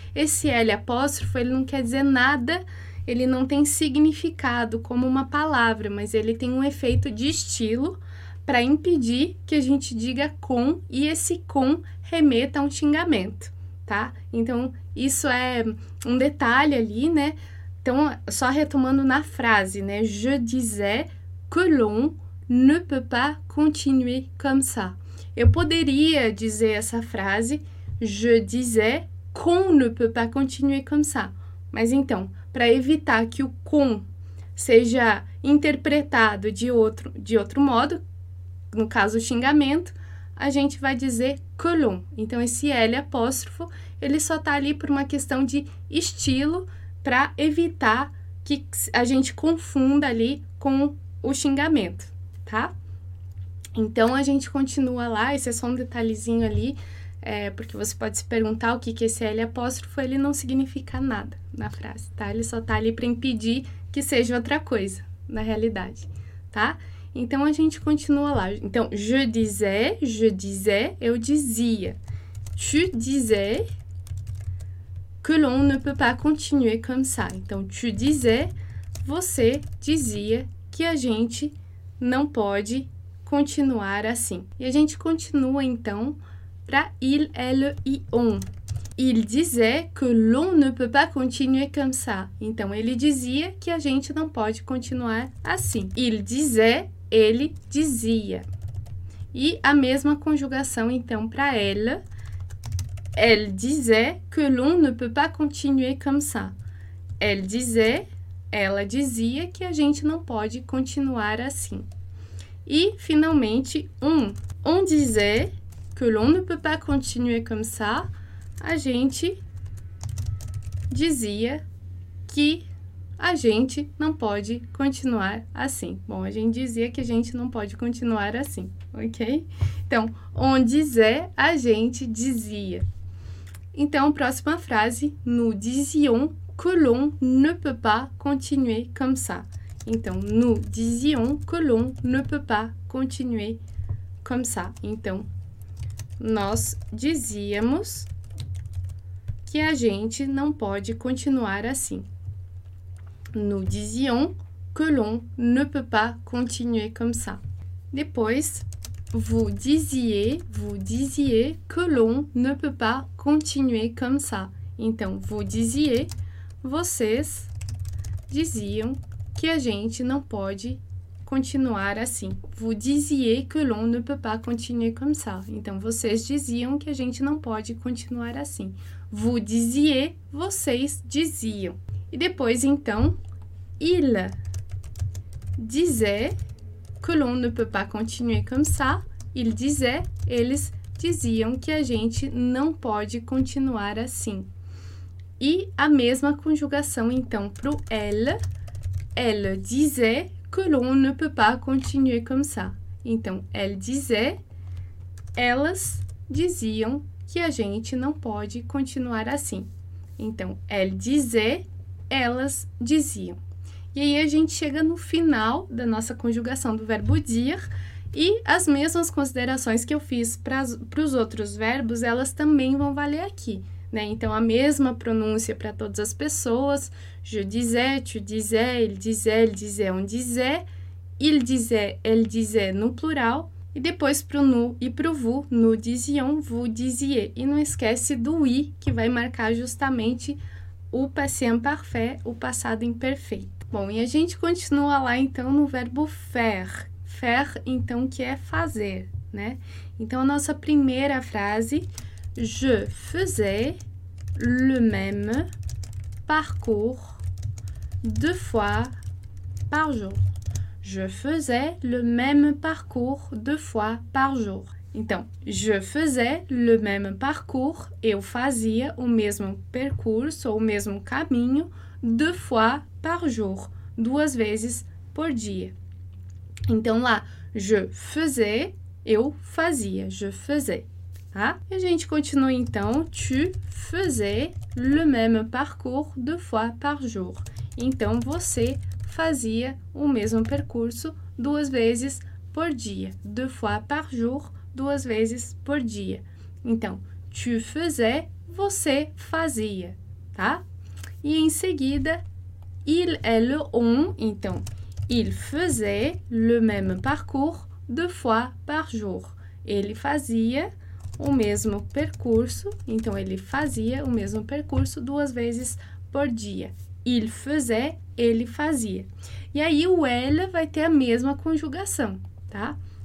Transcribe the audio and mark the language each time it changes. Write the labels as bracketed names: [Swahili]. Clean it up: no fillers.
[Portuguese] Esse L apóstrofo, ele não quer dizer nada, ele não tem significado como uma palavra, mas ele tem um efeito de estilo para impedir que a gente diga com e esse com remeta a um xingamento, tá? Então, isso é um detalhe ali, né? Então, só retomando na frase, né? [French] Je disais que l'on ne peut pas continuer comme ça. [Portuguese] Eu poderia dizer essa frase, [French] je disais qu'on ne peut pas continuer comme ça. [Portuguese] Mas então, para evitar que o com seja interpretado de outro modo, no caso xingamento, a gente vai dizer que l'on. Então, esse L apóstrofo, ele só está ali por uma questão de estilo para evitar que a gente confunda ali com o xingamento, tá? Então, a gente continua lá, esse é só um detalhezinho ali Porque você pode se perguntar o que que esse L apóstrofo, ele não significa nada na frase, tá? Ele só tá ali para impedir que seja outra coisa, na realidade, tá? Então a gente continua lá. Então, [French] je disais, [Portuguese] eu dizia. [French] Tu disais que l'on ne peut pas continuer comme ça. [Portuguese] Então, [French] tu disais, [Portuguese] você dizia que a gente não pode continuar assim. E a gente continua então para il, elle e on. [French] Il disait que l'on ne peut pas continuer comme ça. [Portuguese] Então, ele dizia que a gente não pode continuar assim. [French] Il disait, [Portuguese] ele dizia. E a mesma conjugação então para ela. [French] Elle disait que l'on ne peut pas continuer comme ça. Elle disait, [Portuguese] ela dizia que a gente não pode continuar assim. E, finalmente, on. [French] On disait que l'on ne peut pas continuer comme ça. [Portuguese] A gente dizia que a gente não pode continuar assim. Bom, a gente dizia que a gente não pode continuar assim, ok? Então, [French] on disait, [Portuguese] a gente dizia. Então, próxima frase, [French] nous disions que l'on ne peut pas continuer comme ça. Então, nous disions que l'on ne peut pas continuer comme ça. [Portuguese] Então, nós dizíamos que a gente não pode continuar assim. [French] Nous disions que l'on ne peut pas continuer comme ça. Depois, vous disiez que l'on ne peut pas continuer comme ça. [Portuguese] Então, [French] vous disiez, [Portuguese] vocês diziam que a gente não pode continuar assim. [French] Vous disiez que l'on ne peut pas continuer comme ça. [Portuguese] Então, vocês diziam que a gente não pode continuar assim. [French] Vous disiez, [Portuguese] vocês diziam. E depois, então, [French] il disait que l'on ne peut pas continuer comme ça. Il disait, [Portuguese] eles diziam que a gente não pode continuar assim. E a mesma conjugação, então, para o elle. [French] Elle disait que l'on ne peut pas continuer comme ça. [Portuguese] Então, [French] elle disait, [Portuguese] elas diziam que a gente não pode continuar assim. Então, [French] elle disait, [Portuguese] elas diziam. E aí a gente chega no final da nossa conjugação do verbo dire e as mesmas considerações que eu fiz para os outros verbos, elas também vão valer aqui, né? Então, a mesma pronúncia para todas as pessoas: [French] je disais, tu disais, il disait, on disait, il disait, elle disait [Portuguese] no plural. E depois para o nous e para o vous, [French] nous disions, vous disiez. [Portuguese] E não esquece do i, que vai marcar justamente o passé imparfait, o passado imperfeito. Bom, e a gente continua lá então no verbo faire. Faire, então, que é fazer, né? Então, a nossa primeira frase: [French] je faisais le même parcours deux fois par jour. Je faisais le même parcours deux fois par jour. [Portuguese] Então, [French] je faisais le même parcours, [Portuguese] eu fazia o mesmo percurso, ou o mesmo caminho, [French] deux fois par jour, [Portuguese] duas vezes por dia. Então, lá, [French] je faisais, [Portuguese] eu fazia, [French] je faisais, [Portuguese] tá? E a gente continua, então, [French] tu faisais le même parcours deux fois par jour. [Portuguese] Então, você fazia o mesmo percurso duas vezes por dia. [French] Deux fois par jour, [Portuguese] duas vezes por dia. Então, [French] tu faisais, [Portuguese] você fazia, tá? E em seguida, [French] il, elle, on, então, il faisait le même parcours deux fois par jour. [Portuguese] Ele fazia o mesmo percurso, então, ele fazia o mesmo percurso duas vezes por dia. [French] Il faisait, [Portuguese] ele fazia. E aí, o elle vai ter a mesma conjugação, tá?